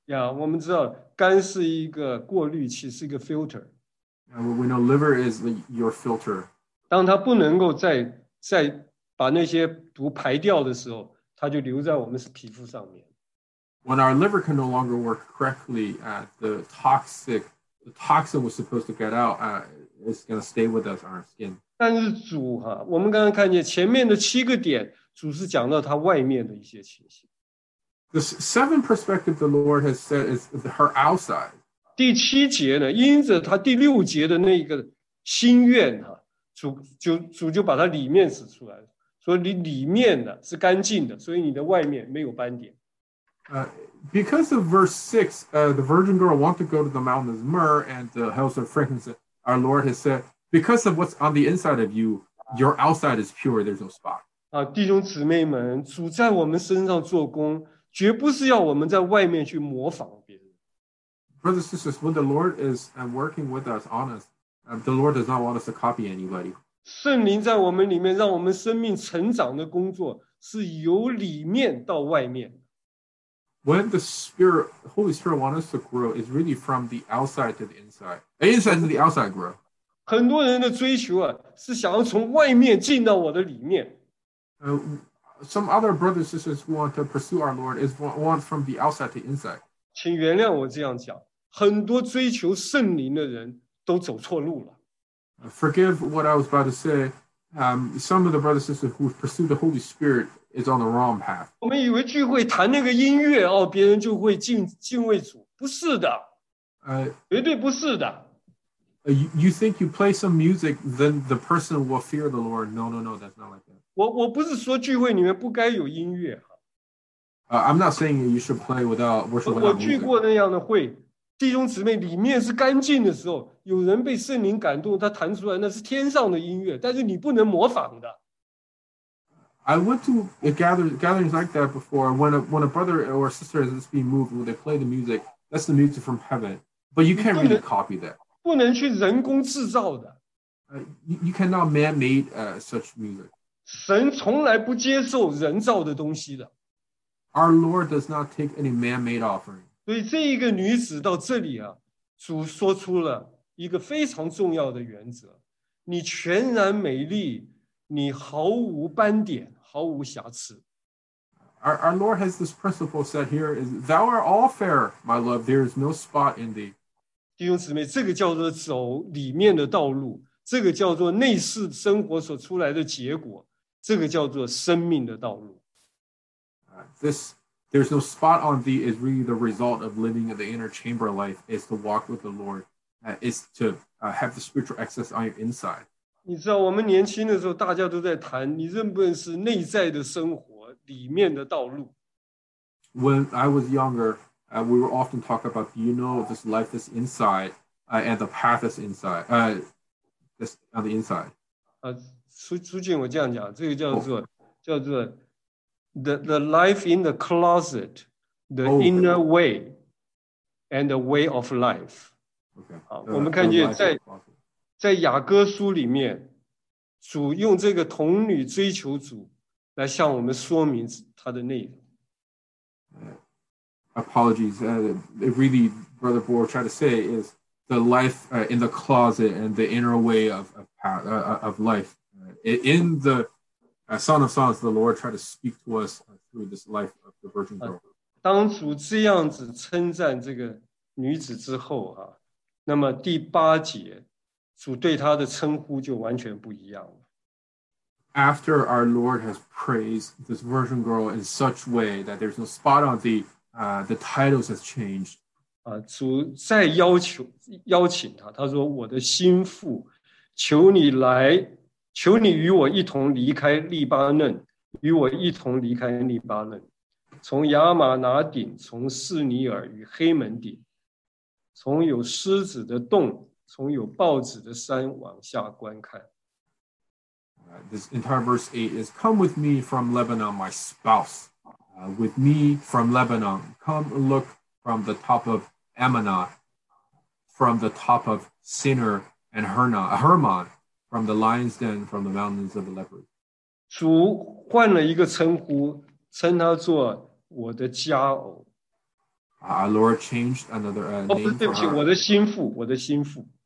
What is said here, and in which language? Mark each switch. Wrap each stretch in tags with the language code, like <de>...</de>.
<zh>Yeah, 我们知道肝是一个过滤器，是一个 filter.</zh> <en>We know liver is your filter.</en> <zh>当它不能够再把那些毒排掉的时候，它就留在我们皮肤上面。</zh> <en>When our liver can no longer work correctly, the toxin was supposed to get out, is going to stay with us on our skin.</en> <zh>但是主哈，我们刚刚看见前面的七个点，主是讲到他外面的一些情形。</zh> <en>The seven perspective the Lord has said is her outside.</en> <zh>第七节呢，因着他第六节的那个心愿哈，主就把他里面指出来，说你里面呢是干净的，所以你的外面没有斑点。</zh> <en>Because of verse 6, the virgin girl wants to go to the mountain of myrrh and the house of frankincense. Our Lord has said, because of what's on the inside of you, your outside is pure, there's no spot.</en> <zh>弟兄姊妹们，主在我们身上做工，绝不是要我们在外面去模仿别人。</zh> <en>Brothers and sisters, when the Lord is working with us on us, the Lord does not want us to copy anybody.</en> <zh>圣灵在我们里面让我们生命成长的工作是由里面到外面。</zh> <en>When the Spirit, Holy Spirit wants us to grow, it's really from the outside to the inside. Inside to the outside grow.</en> <zh>很多人的追求啊，是想要从外面进到我的里面。</zh> <en>Some other brothers and sisters who want to pursue our Lord is want from the outside to the inside.</en> <zh>请原谅我这样讲，很多追求圣灵的人都走错路了。</zh> <en>Forgive what I was about to say. Some of the brothers and sisters who pursue the Holy Spirit is on the wrong path.</en> <zh>我们以为聚会弹那个音乐哦，别人就会敬畏主，不是的，绝对不是的。</zh> <en>You think you play some music, then the person will fear the Lord. No, that's not like that.</en> <zh>我不是说聚会里面不该有音乐。</zh> <en>I'm not saying you should play without worship.</en> <zh>我聚过那样的会，弟兄姊妹里面是干净的时候，有人被圣灵感动，他弹出来那是天上的音乐，但是你不能模仿的。</zh> <en>I went to gatherings like that before. When a brother or sister is being moved, when they play the music, that's the music from heaven. But you can't really copy that.</en> <zh>不能去人工制造的。</zh> <en>You cannot man-made such music.</en> <zh>神从来不接受人造的东西的。</zh> <en>Our Lord does not take any man-made offering.</en> <zh>所以这一个女子到这里啊，主说出了一个非常重要的原则：你全然美丽，你毫无斑点，毫无瑕疵。</zh> <en>Our Lord has this principle set here: is Thou art all fair, my love. There is no spot in thee.</en> <zh>弟兄姊妹，这个叫做走里面的道路，这个叫做内室生活所出来的结果，这个叫做生命的道路。</zh> <en>This there's no spot on thee is really the result of living in the inner chamber life. Is to walk with the Lord. Is to have the spiritual access on your inside.</en> <zh>你知道我们年轻的时候，大家都在谈你认不认识内在的生活，里面的道路。</zh> <en>When I was younger. We were often talk about, you know, this life that's inside, and the path that's inside, that's on the inside.</en> <zh>出镜我这样讲，这个叫做</zh> <en>the life in the closet, the inner way, and the way of life. Okay.</en> <zh>我们看见在雅各书里面，主用这个童女追求主来向我们说明他的内容。</zh> <en>Apologies. It really, Brother Bohr tried to say, is the life in the closet and the inner way of life. In the Song of Songs, the Lord tried to speak to us through this life of the virgin girl.</en> <zh>当主这样子称赞这个女子之后啊，那么第八节，主对她的称呼就完全不一样了。</zh> <en>After our Lord has praised this virgin girl in such way that there's no spot on thee. The titles has changed.</en> <zh>主再邀请他，他说：“我的心腹，求你来，求你与我一同离开利巴嫩，与我一同离开利巴嫩，从亚玛拿顶，从示尼尔与黑门顶，从有狮子的洞，从有豹子的山往下观看。”</zh> <en>This entire verse 8 is come with me from Lebanon, my spouse. With me from Lebanon, come look from the top of Ammonah, from the top of Sinner and Hermon, from the lion's den, from the mountains of the leopard.</en> <zh>主换了一个称呼，称他做我的佳偶。</zh> <en>Our Lord changed another name for her.</en> <zh>对不起，我的心腹，我的心腹。</zh>